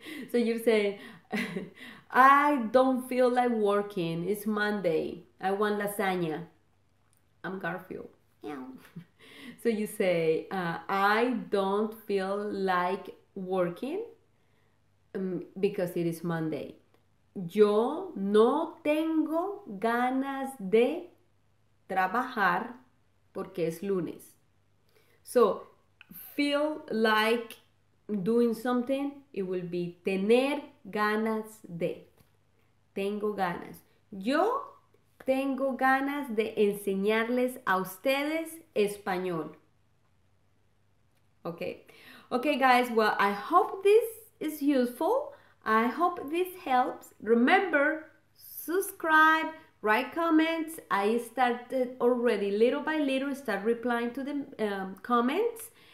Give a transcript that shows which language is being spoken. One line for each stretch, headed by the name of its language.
English: So you say, I don't feel like working. It's Monday. I want lasagna. I'm Garfield. Yeah. So you say, I don't feel like working because it is Monday.
Spanish: Yo no tengo ganas de trabajar porque es lunes.
English: So feel like doing something, it will be
Spanish: tener ganas de. Tengo ganas. Yo tengo ganas de enseñarles a ustedes español.
English: Okay. Okay, guys, well, I hope this is useful. I hope this helps. Remember, subscribe, write comments. I started already little by little, start replying to the comments.